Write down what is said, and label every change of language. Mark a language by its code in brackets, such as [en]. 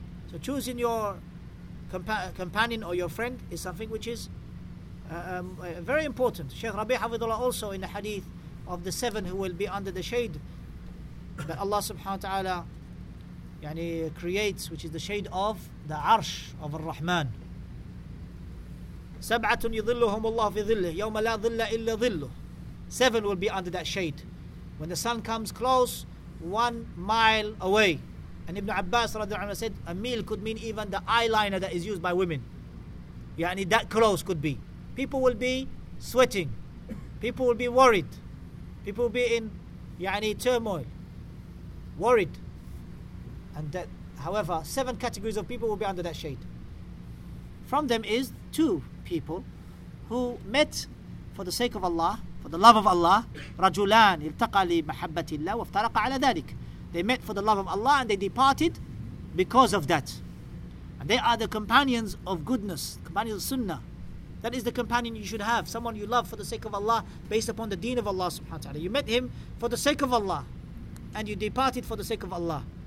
[en] So choosing your companion or your friend is something which is very important. Sheikh Rabi' Hafidullah also in the hadith of the seven who will be under the shade that Allah subhanahu wa ta'ala yani creates, which is the shade of the arsh of Ar-Rahman. [ar] سبعة يظلهم الله في ظله يوم لا ظل إلا ظله. [en] Seven will be under that shade when the sun comes close 1 mile away. And Ibn Abbas رضي الله عنه said a mil could mean even the eyeliner that is used by women. يعني that close could be. People will be sweating. People will be worried. People will be in يعني turmoil. Worried. And that, however, seven categories of people will be under that shade. From them is two people who met for the sake of Allah, for the love of Allah. [ar] رجلان التقى لمحبة الله وافترق على ذلك. [en] They met for the love of Allah and they departed because of that. And they are the companions of goodness, companions of sunnah. That is the companion you should have, someone you love for the sake of Allah, based upon the deen of Allah subhanahu wa ta'ala. You met him for the sake of Allah and you departed for the sake of Allah.